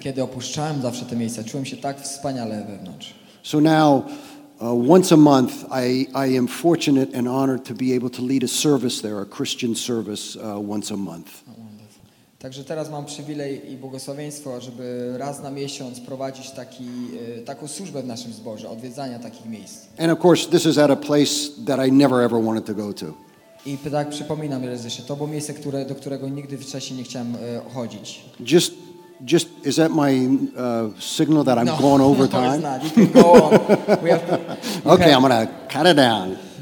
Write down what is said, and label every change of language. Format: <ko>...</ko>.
<pl>Kiedy opuszczałem zawsze te miejsca, czułem się tak wspaniale wewnątrz.</pl> <en>So now, once a month, I am fortunate and honored to be able to lead a service there, a Christian service, once a month.</en> <pl>Także teraz mam przywilej i błogosławieństwo, żeby raz na miesiąc prowadzić taką służbę w naszym zborze, odwiedzania takich miejsc.</pl> <en>And of course, this is at a place that I never ever wanted to go to.</en> <pl>I tak przypominam raz jeszcze, to było miejsce, do którego nigdy wcześniej nie chciałem chodzić.</pl> <en>Just is that my signal that I'm going over time? No, it's not. You can go on. Okay, I'm gonna cut it down.</en>